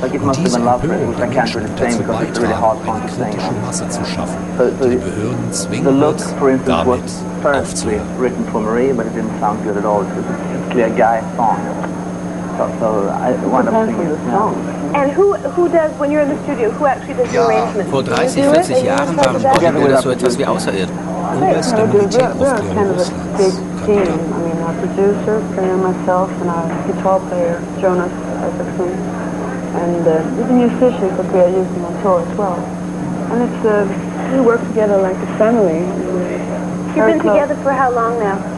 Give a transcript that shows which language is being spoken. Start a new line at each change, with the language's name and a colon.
English: Like, It Must Have Been Love, which I can't really sing because it's a really hard song to sing. So the look, for instance, was firstly written for Marie, but it didn't sound good at all. It's clearly a guy song. So I wound up singing the song. And who does, when you're in the studio, who actually does the arrangement?
German: Vor 30, 40 Jahren waren Bodybuilder so etwas wie Außerirdische.
English: We're kind of a big team. I mean, our producer, Karen, myself, and our guitar player, Jonas, as a team. And the musicians that we are using on tour as well. And it's, we work together like a family. You've been together for how long now?